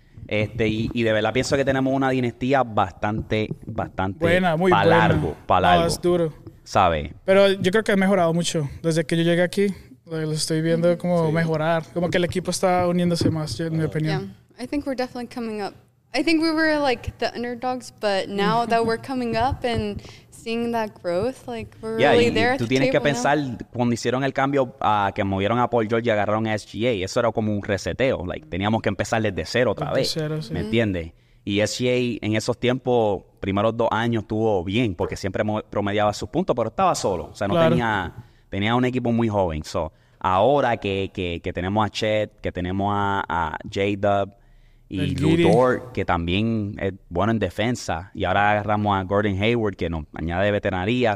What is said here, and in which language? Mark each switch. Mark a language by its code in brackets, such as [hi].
[es] Y de verdad pienso que tenemos una dinastía bastante, bastante buena, muy para buena. Largo, para largo. Es duro. ¿Sabe? Pero yo creo que ha mejorado mucho. Desde que yo llegué aquí, lo estoy viendo como mejorar. Como que el equipo está uniéndose más, en mi opinión. [en] Yeah. I think we're definitely coming up. I think we were like the underdogs, but now that we're coming up and seeing that growth, like we're really there at the table. [es] Tú tienes que pensar [en] now. [es] Cuando hicieron el cambio a que movieron a Paul George y agarraron a SGA, eso era como un reseteo, like teníamos que empezar desde cero otra vez. Cero, sí. ¿Me entiendes? Y SGA en esos tiempos, primeros dos años, estuvo bien porque siempre promediaba sus puntos, pero estaba solo. O sea, no tenía un equipo muy joven. So, ahora que tenemos a Chet, que tenemos a J-Dub y Lu Dort, que también es bueno en defensa, y ahora agarramos a Gordon Hayward, que nos añade veteranía.